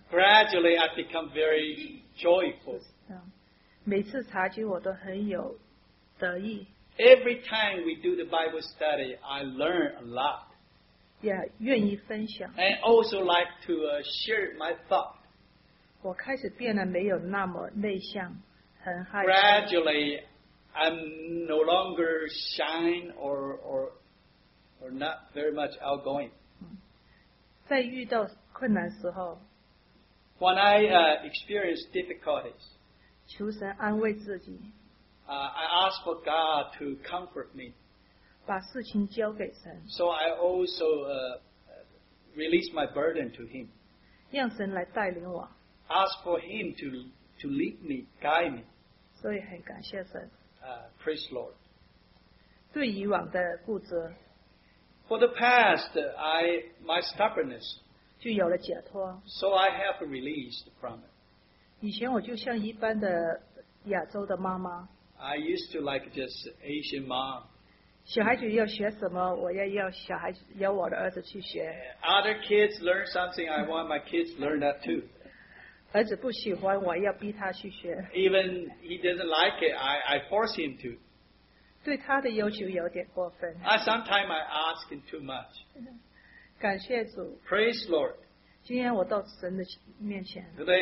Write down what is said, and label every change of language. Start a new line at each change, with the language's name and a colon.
English: Gradually I become very joyful.
Chinese: 每次查经我都很有得意。
English: Every time we do the Bible study, I learn a lot.
Chinese: Yeah, 愿意分享。
English: And also like to share my thought.
Chinese: 我开始变得没有那么内向，很害羞。
English: Gradually I'm no longer shy or not very much outgoing.
Chinese: 在遇到困难时候,
English: when I experience difficulties,
Chinese: 求神安慰自己,
English: I ask for God to comfort me.
Chinese: 把事情交给神,
English: so I also release my burden to Him.
Chinese: 让神来带领我,
English: ask for Him to lead me, guide me.
Chinese: 所以很感谢神。
English: Praise Lord.
Chinese: 对以往的固执,
English: for the past, my stubbornness,
Chinese: 就有了解脱,
English: so I have released from it.
Chinese: 以前我就像一般的亚洲的妈妈,
English: I used to like just Asian mom.
Chinese: 小孩子要学什么，我要小孩，要我的儿子去学。
English: Other kids learn something, I want my kids learn that too.
Chinese: 儿子不喜欢，我要逼他去学。
English: Even he doesn't like it, I force him to.
Chinese: 对他的要求有点过分。
English: I sometimes I ask him too much.
Chinese: 感谢主。
English: Praise Lord.
Chinese: 今天我到神的面前。
English: Today